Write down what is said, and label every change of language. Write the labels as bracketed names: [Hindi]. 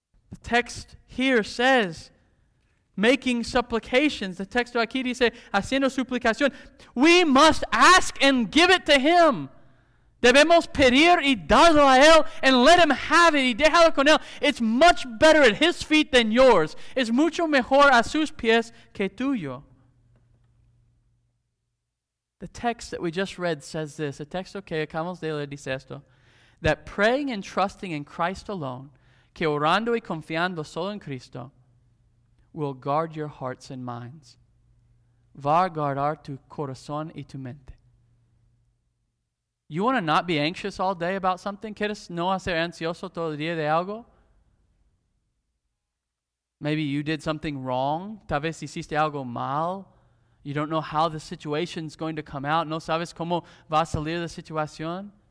[English] The text here says, making supplications. [Spanish] The texto aquí dice, haciendo suplicación. [English] We must ask and give it to Him. [Spanish] Debemos pedir y darlo a Él [English] and let Him have it [Spanish] y déjalo con Él. [English] It's much better at His feet than yours. [Spanish] Es mucho mejor a sus pies que tuyo. [English] The text that we just read says this. [Spanish] The texto que acabamos de leer dice esto. [English] That praying and trusting in Christ alone, [Spanish] que orando y confiando solo en Cristo, [English] will guard your hearts and minds. [Spanish] Va a guardar tu corazón y tu mente. [English] You want to not be anxious all day about something? [Spanish] ¿Quieres no hacer ansioso todo el día de algo? [English] Maybe you did something wrong. [Spanish] Tal vez hiciste algo mal. [English] You don't know how the situation's going to come out. [Spanish] No sabes cómo va a salir la situación.